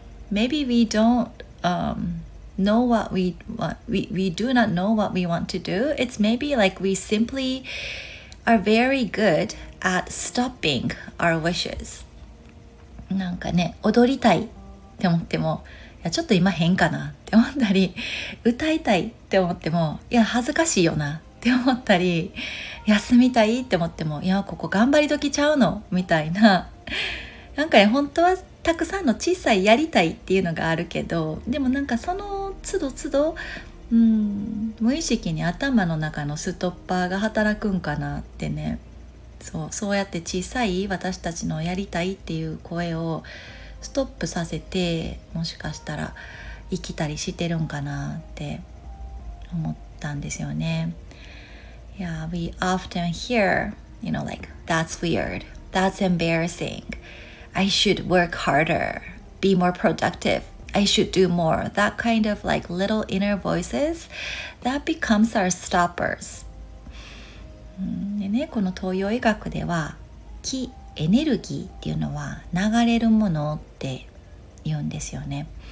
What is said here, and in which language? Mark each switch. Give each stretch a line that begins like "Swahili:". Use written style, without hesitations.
English: Maybe we don't, know what we do not know what we want to do. It's maybe like we simplyare very good at stopping our wishes.
Japanese: なんかね、踊りたいって思っても、いや、ちょっと今変かなって思ったり、歌いたいって思っても、いや、恥ずかしいよなって思ったり、休みたいって思っても、いやここ頑張り時ちゃうのみたいな、なんかね本当はたくさんの小さいやりたいっていうのがあるけど、でもなんかその都度都度、無意識に頭の中のストッパーが働くんかなってね、そうやって小さい私たちのやりたいっていう声をストップさせて、もしかしたら生きたりしてるんかなって思ったんですよね。
English: Yeah, we often hear, you know, like, that's weird, that's embarrassing, I should work harder, be more productive, I should do more. That kind of like little inner voices, that becomes our stoppers.
Japanese: でね、この東洋医学では、気、エネルギーっていうのは流れるものって言うんですよね。